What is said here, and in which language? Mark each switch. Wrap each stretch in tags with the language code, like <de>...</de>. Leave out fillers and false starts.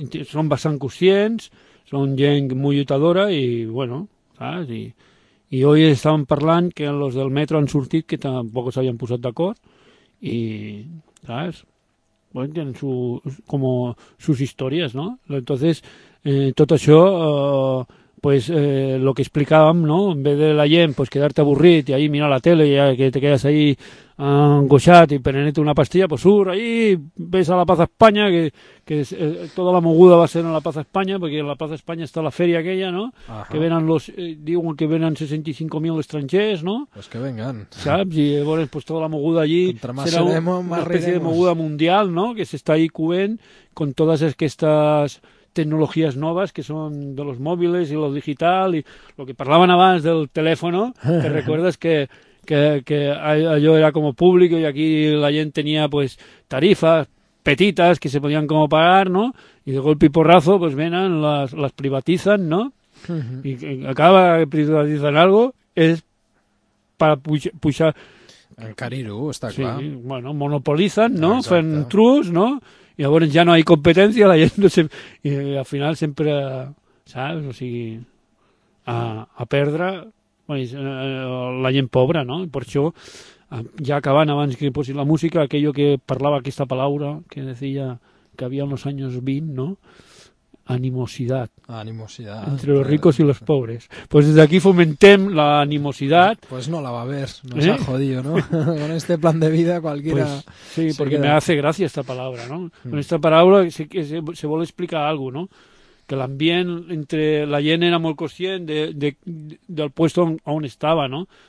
<ca>Són bastant conscients, són gent molt lluitadora i, bueno, saps? I avui estàvem parlant que els del metro han sortit, que tampoc s'havien posat d'acord, i, saps? Bueno, tenen com sus històries, no? Entonces, tot això... pues lo que explicàvem, no? En vez de la gent pues quedar-te avorrit i ahí mirar la tele i que te quedes ahí angoixat i prenent-te una pastilla, pues surt ahí, ves a la Plaza España, que toda la moguda va ser en la Plaza España, perquè en la Plaza España està la feria aquella, no? Ajá. Que venen los, diuen que venen 65.000 estrangers, no?</ca> <es>Pues que vengan.</es> <ca>Saps? I llavors pues toda la moguda allí serà</ca> <es>una especie de moguda mundial, no? Que s'està ahí cubent con todas aquestes...</es> <ca>tecnologies noves, que són de los mòbils i lo digital, i lo que parlaven abans del telèfon, que recordes que allò era com públic i aquí la gent tenia pues tarifes petites que se podien com pagar, no?</ca> <es>I de golpe y porrazo pues venen, las privatizan, no?</es> <ca>I acaba que privatizan algo és per pujar encarir-ho, està clar. Sí, bueno, monopolizan, no? Exacte. Fent trus, no? I llavors ja no hi ha competència, la gent no se... I al final sempre, saps? O sigui, a perdre, pues, la gent pobra, no? I per això, ja acabant abans que posi la música, aquello que parlava aquesta paraula, que deia que havia en els anys 20, no? Animositat. Animositat.</ca> <es>Entre los ricos y los pobres. Pues desde aquí fomentem la animositat. Pues no la va a ver, nos ha jodido, ¿no? Con este plan de vida cualquiera... Pues, sí, porque queda... me hace gracia esta palabra, ¿no? Con esta paraula se vol explicar algo, ¿no?</es> <ca>Que l'ambient entre la gent era molt conscient del puesto on estava, ¿no?</ca>